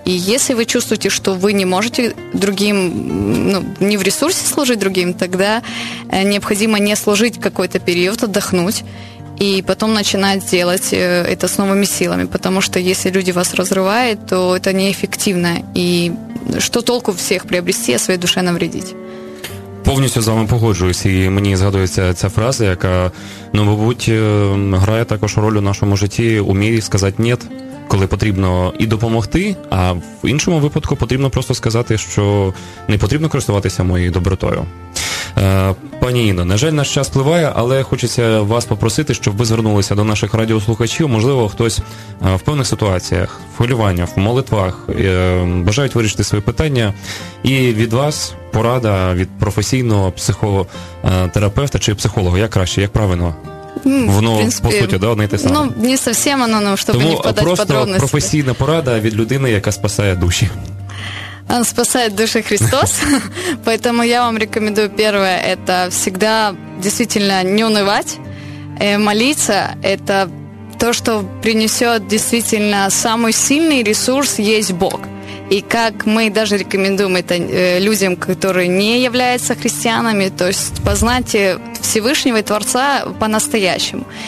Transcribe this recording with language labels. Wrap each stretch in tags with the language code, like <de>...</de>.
<ru>И если вы чувствуете, что вы не можете другим, ну, не в ресурсе служить другим, тогда необходимо не служить какой-то период, отдохнуть, и потом начинать делать это с новыми силами. Потому что если люди вас разрывают, то это неэффективно. И что толку всех приобрести, а своей душе навредить?</ru> <uk>Повністю з вами погоджуюсь. І мені згадується ця фраза, яка, ну, мабуть, грає також роль у нашому житті. Уміє сказати «нєт», коли потрібно і допомогти, а в іншому випадку потрібно просто сказати, що не потрібно користуватися моєю добротою. Пані Інно, на жаль, наш час впливає, але хочеться вас попросити, щоб ви звернулися до наших радіослухачів. Можливо, хтось в певних ситуаціях, в хвилюваннях, в молитвах бажають вирішити свої питання. І від вас порада від професійного психотерапевта чи психолога. Як краще, як правильно? Воно, по суті, да, одне й те саме. Ну, не зовсім воно, ну, щоб тому не впадати в подробності. Тому просто професійна порада від людини, яка спасає душі.</uk> <ru>Он спасает души Христос, поэтому я вам рекомендую, первое, это всегда действительно не унывать, молиться, это то, что принесет действительно самый сильный ресурс, есть Бог. И как мы даже рекомендуем это людям, которые не являются христианами, то есть познайте Всевышнего и Творца по-настоящему.</ru>